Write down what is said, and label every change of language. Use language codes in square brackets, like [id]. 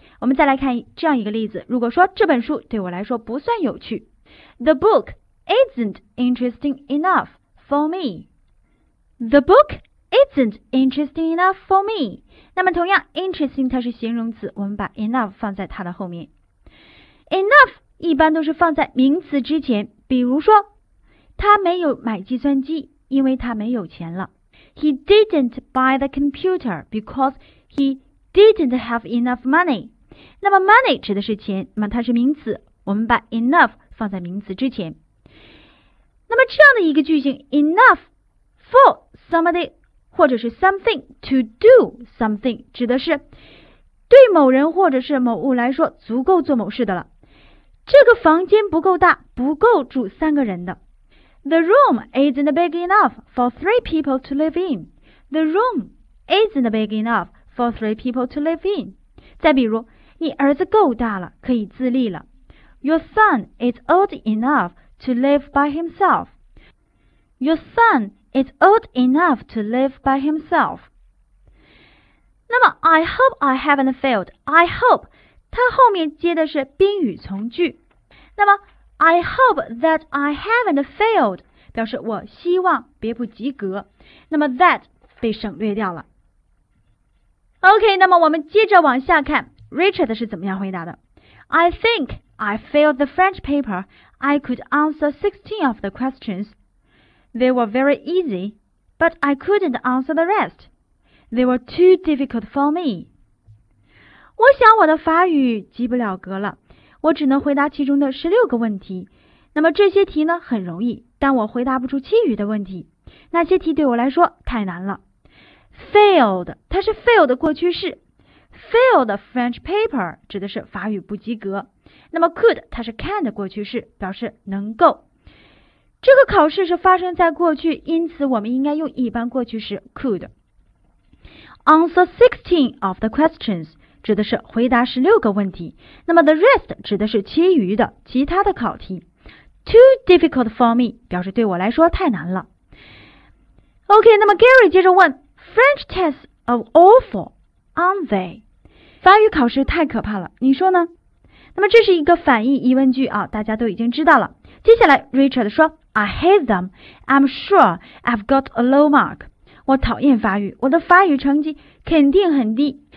[zh] 我们再来看这样一个例子，如果说这本书对我来说不算有趣， [en] The book isn't interesting enoughFor me, the book isn't interesting enough for me. [zh] 那么同样 interesting 它是形容词，我们把 enough 放在它的后面。 Enough 一般都是放在名词之前，比如说他没有买计算机因为他没有钱了。 [en] He didn't buy the computer because he didn't have enough money. [zh] 那么 money 指的是钱，那么它是名词，我们把 enough 放在名词之前。那么这样的一个句型 [en] enough for somebody 或者是 something to do something [zh] 指的是对某人或者是某物来说足够做某事的了。这个房间不够大，不够住三个人的。 [en] The room isn't big enough for three people to live in. The room isn't big enough for three people to live in. [zh] 再比如你儿子够大了，可以自立了。 [en] Your son is old enoughto live by himself. Your son is old enough to live by himself. [zh] 那么 [en] I hope I haven't failed. [zh] I hope 它后面接的是宾语从句。那么 [en] I hope that I haven't failed [zh] 表示我希望别不及格，那么 that 被省略掉了。 OK, 那么我们接着往下看 Richard 是怎么样回答的。 [en] I think I failed the French paperI could answer 16 of the questions. They were very easy, but I couldn't answer the rest. They were too difficult for me. [zh] 我想我的法语及不了格了，我只能回答其中的16个问题。那么这些题呢很容易，但我回答不出其余的问题，那些题对我来说太难了。 Failed 它是 fail 的过去式， [en] Failed French paper [zh] 指的是法语不及格，那么 could 它是 can 的过去式，表示能够。这个考试是发生在过去，因此我们应该用一般过去式 could。 [en] Answer 16 of the questions [zh] 指的是回答16个问题，那么 the rest 指的是其余的其他的考题。 [en] Too difficult for me [zh] 表示对我来说太难了。 [en] OK, [zh] 那么 [en] Gary [zh] 接着问 [en] French tests are awful, aren't they? [zh] 法语考试太可怕了，你说呢？那么这是一个反义疑问句啊，大家都已经知道了。接下来 [en] Richard [zh] 说 [en] I hate them, I'm sure I've got a low mark. [zh] 我讨厌法语，我的法语成绩肯定很低。